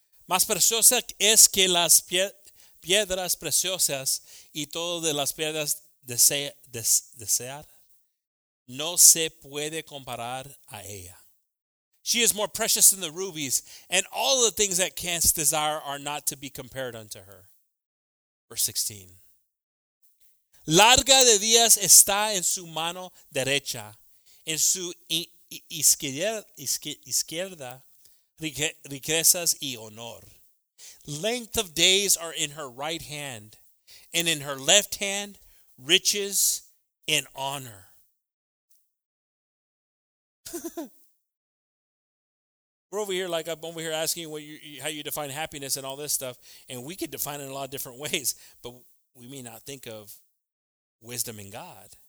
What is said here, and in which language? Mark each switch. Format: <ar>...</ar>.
<es>Más preciosa es que las piedras preciosas y todo de las piedras desear no se puede comparar a ella.</es> <en>She is more precious than the rubies, and all the things that canst desire are not to be compared unto her. Verse 16.</en> <es>Larga de días está en su mano derecha, en su izquierda riquezas y honor.</es> <en>Length of days are in her right hand, and in her left hand, riches and honor. We're over here, like I'm over here asking how you define happiness and all this stuff, and we could define it in a lot of different ways, but we may not think of wisdom in God.</en>